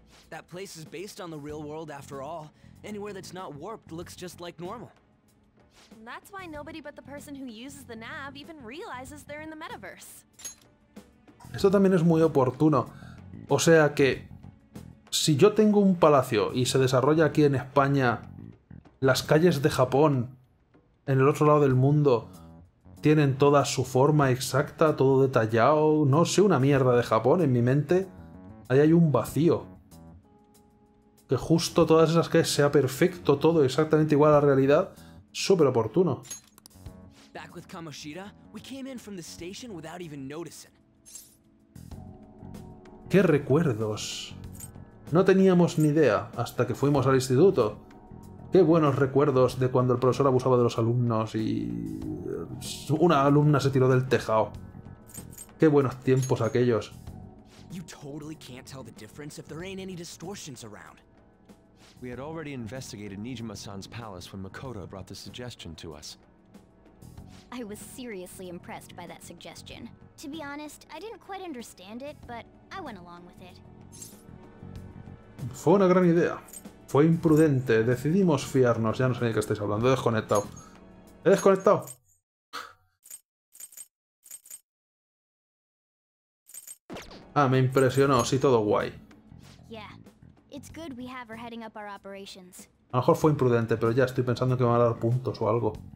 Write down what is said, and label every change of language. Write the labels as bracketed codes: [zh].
[en] That place is based on the real world after all. Anywhere that's not warped looks just like normal. That's why nobody but the person who uses the nav even realizes they're in the metaverse. [es] Eso también es muy oportuno. O sea que si yo tengo un palacio y se desarrolla aquí en España, las calles de Japón, en el otro lado del mundo, tienen toda su forma exacta, todo detallado, no sé, una mierda de Japón en mi mente, ahí hay un vacío. Que justo todas esas calles sea perfecto, todo exactamente igual a la realidad. Súper oportuno. [en] Back with Kamoshida, we came in from the station without even noticing. [es] ¿Qué recuerdos? No teníamos ni idea hasta que fuimos al instituto. Qué buenos recuerdos de cuando el profesor abusaba de los alumnos y una alumna se tiró del tejado. Qué buenos tiempos aquellos. [en] You totally can't tell the difference if there ain't any distortions around. We had already investigated Nijima-san's palace when Makoto brought the suggestion to us. I was seriously impressed by that suggestion. To be honest, I didn't quite understand it, but I went along with it. [es] Fue una gran idea. Fue imprudente. Decidimos fiarnos. Ya no sé ni qué estáis hablando. He desconectado. Ah, me impresionó. Sí, todo guay. [en] It's good we have her heading up our operations. [es] A lo mejor fue imprudente, pero ya estoy pensando que me van a dar puntos o algo.